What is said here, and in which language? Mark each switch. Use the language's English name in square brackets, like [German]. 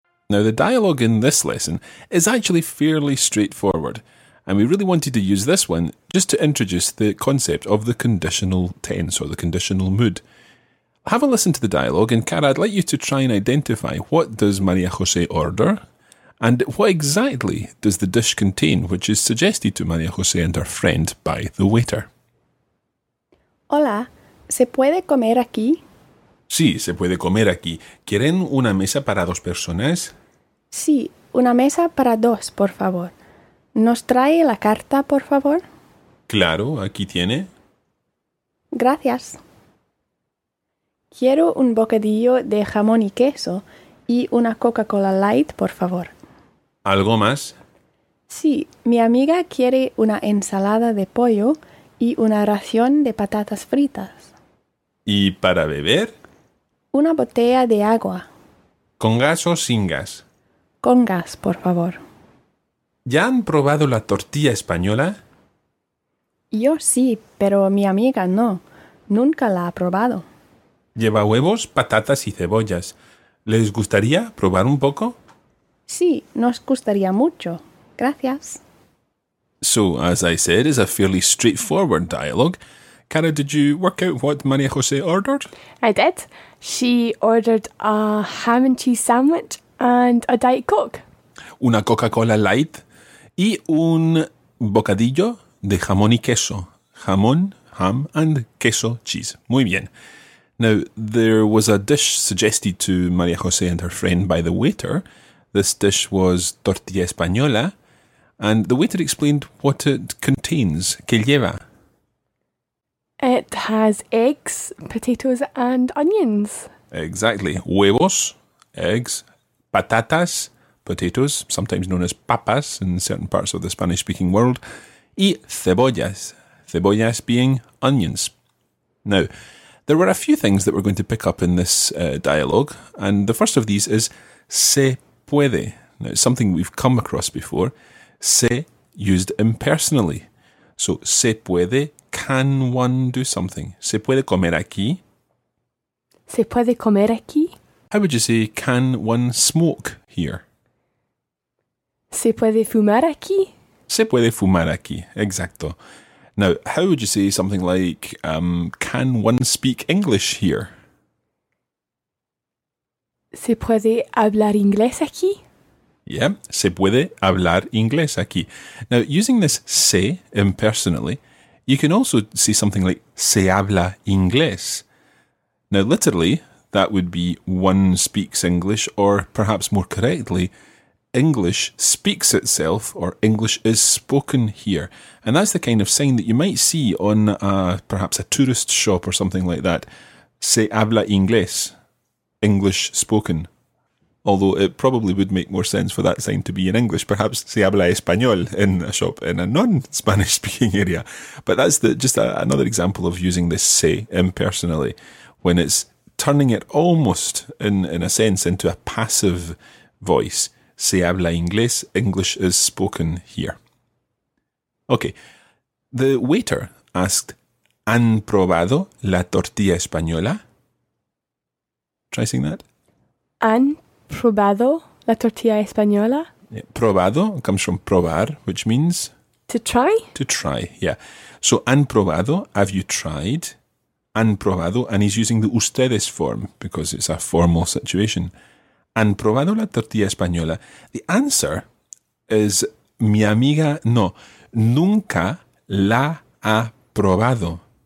[English] Now, the dialogue in this lesson is actually fairly straightforward, and we really wanted to use this one just to introduce the concept of the conditional tense or the conditional mood. Have a listen to the dialogue, and Cara, I'd like you to try and identify what does María José order, and what exactly does the dish contain, which is suggested to María José and her friend by the waiter. [Spanish] Hola, ¿se puede comer aquí? Sí, se puede comer aquí. ¿Quieren una mesa para dos personas? Sí, una mesa para dos, por favor. ¿Nos trae la carta, por favor? Claro, aquí tiene. Gracias. Quiero un bocadillo de jamón y queso y una Coca-Cola Light, por favor. ¿Algo más? Sí, mi amiga quiere una ensalada de pollo y una ración de patatas fritas. ¿Y para beber? Una botella de agua. ¿Con gas o sin gas? Con gas, por favor. ¿Ya han probado la tortilla española? Yo sí, pero mi amiga no. Nunca la ha probado. Lleva huevos, patatas y cebollas. ¿Les gustaría probar un poco? Sí, nos gustaría mucho. Gracias. [English] So, as I said, it's a fairly straightforward dialogue. Cara, did you work out what María José ordered? I did. She ordered a ham and cheese sandwich and a Diet Coke. [Spanish] Una Coca-Cola Light y un bocadillo de jamón y queso. Jamón, [English] ham and [Spanish] queso, [English] cheese. [Spanish] Muy bien. [English] Now, there was a dish suggested to María José and her friend by the waiter. This dish was tortilla española. And the waiter explained what it contains, [Spanish] que lleva. [English] It has eggs, potatoes and onions. Exactly. [Spanish] Huevos, [English] eggs, [Spanish] patatas, [English] potatoes, sometimes known as papas in certain parts of the Spanish-speaking world, [Spanish] y cebollas, cebollas [English] being onions. Now, there were a few things that we're going to pick up in this dialogue, and the first of these is se puede. Now, it's something we've come across before. Se, used impersonally. [Spanish] So, se puede, [English] can one do something? [Spanish] Se puede comer aquí? Se puede comer aquí? [English] How would you say, can one smoke here? [Spanish] Se puede fumar aquí? Se puede fumar aquí, exacto. [English] Now, how would you say something like, can one speak English here? [Spanish] Se puede hablar inglés aquí? [English] Yeah, [Spanish] se puede hablar inglés aquí. [English] Now, using this se impersonally, you can also say something like [Spanish] se habla inglés. [English] Now, literally, that would be one speaks English, or perhaps more correctly, English speaks itself, or English is spoken here. And that's the kind of sign that you might see on perhaps a tourist shop or something like that. [Spanish] Se habla inglés, [English] English spoken. Although it probably would make more sense for that sign to be in English. Perhaps [Spanish] se habla español [English] in a shop in a non-Spanish speaking area. But that's another example of using this se impersonally when it's turning it almost, in a sense, into a passive voice. [Spanish] Se habla inglés, [English] English is spoken here. Okay, the waiter asked, [Spanish] ¿Han probado la tortilla española? [English] Try saying that. [Spanish] ¿Han probado la tortilla española? [English] Yeah, probado comes from probar, which means? To try. To try, yeah. So, [Spanish] ¿han probado? [English] Have you tried? [Spanish] Han probado, [English] and he's using the ustedes form because it's a formal situation. [Spanish] Han probado la tortilla española. [English] The answer is [Spanish] mi amiga no, nunca la ha probado.